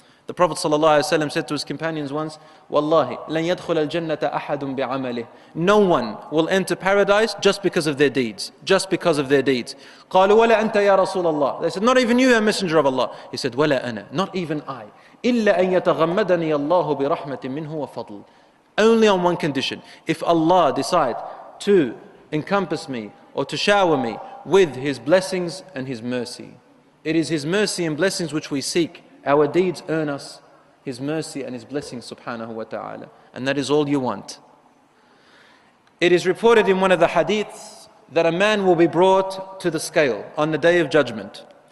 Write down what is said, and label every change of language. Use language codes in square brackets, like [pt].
[en] The Prophet ﷺ said to his companions once, [ar] وَاللَّهِ لَنْ يَدْخُلَ الْجَنَّةَ أَحَدٌ بِعَمَلِهِ [en] No one will enter paradise just because of their deeds. Just because of their deeds. [ar] قَالُوا وَلَا أَنْتَ يَا رَسُولَ اللَّهِ [en] They said, not even you, a messenger of Allah. He said, [ar] وَلَا أَنَا [en] Not even I. [ar] إِلَّا أَنْ يَتَغَمَّدَنِيَ اللَّهُ بِرَحْمَةٍ مِّنْهُ وَفَضْلٍ [en] Only on one condition. If Allah decide to encompass me or to shower me with His blessings and His mercy. It is His mercy and blessings which we seek. Our deeds earn us His mercy and His blessings, subhanahu wa ta'ala. And that is all you want. It is reported in one of the hadiths that a man will be brought to the scale on the day of judgment.